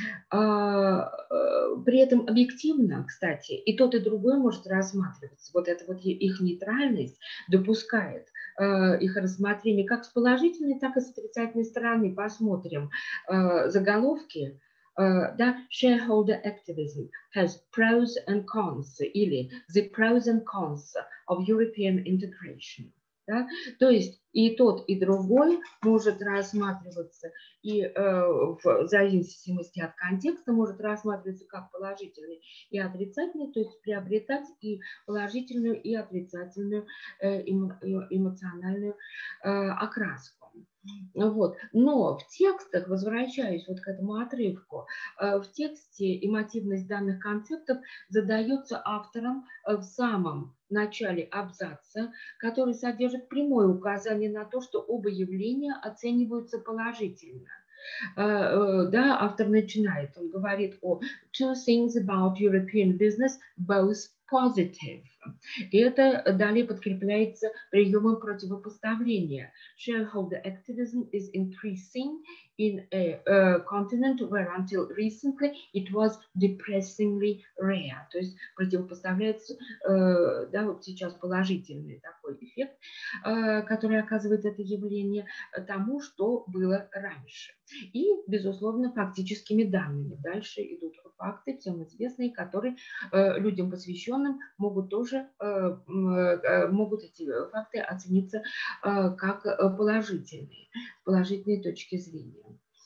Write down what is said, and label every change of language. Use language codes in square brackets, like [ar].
[ru] При этом объективно, кстати, и тот, и другой может рассматриваться. Вот эта вот их нейтральность допускает их рассмотрение как с положительной, так и с отрицательной стороны. Посмотрим заголовки. Да, [en] shareholder activism has pros and cons, [ru] или [en] the pros and cons of European integration. [ru] Да? То есть и тот, и другой может рассматриваться, и в зависимости от контекста может рассматриваться как положительный и отрицательный, то есть приобретать и положительную, и отрицательную эмоциональную окраску. Вот. Но в текстах, возвращаясь вот к этому отрывку, в тексте эмотивность данных концептов задается автором в самом начале абзаца, который содержит прямое указание на то, что оба явления оцениваются положительно. Да, автор начинает, он говорит о [en] two things about European business, both positive. [ru] И это далее подкрепляется приемом противопоставления. [en] Shareholder activism is increasing in a continent where until recently it was depressingly rare. [ru] То есть противопоставляется, да, вот сейчас положительный такой эффект, который оказывает это явление тому, что было раньше. И, безусловно, фактическими данными. Дальше идут факты, всем известные, которые людям посвященным могут тоже, могут эти факты оцениться как положительные, с положительной точки зрения.